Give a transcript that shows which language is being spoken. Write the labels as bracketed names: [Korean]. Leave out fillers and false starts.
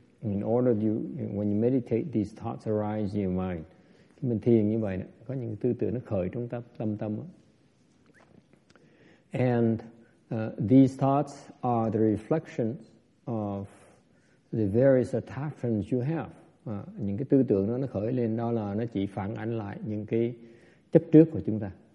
[English] In order you, when you meditate, these thoughts arise in your mind. [Vietnamese] Khi mình thiền như vậy, có những tư tưởng nó khởi trong tâm. [English] And these thoughts are the reflections of the various attachments you have. [Vietnamese] Những cái tư tưởng nó khởi lên đó là nó chỉ phản ánh lại những cái chấp trước của chúng ta.